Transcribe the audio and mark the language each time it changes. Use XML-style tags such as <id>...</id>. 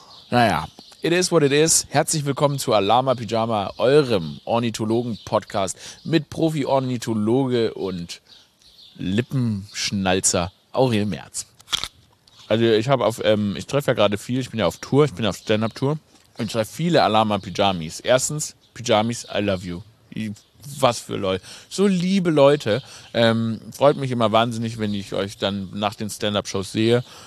<de>Naja,</de> <en>it is what it is.</en> <de>Herzlich willkommen zu Alama Pyjama, eurem Ornithologen-Podcast mit Profi-Ornithologe und Lippenschnalzer Aurel Merz. Also ich treffe ja gerade viel. Ich bin ja auf Tour, ich bin auf Stand-Up-Tour und treffe viele Alama Pyjamis. Erstens, Pyjamis,</de> <en>I love you.</en> <de>Was für Leute. So liebe Leute. Freut mich immer wahnsinnig, wenn ich euch dann nach den Stand-Up-Shows sehe.</de>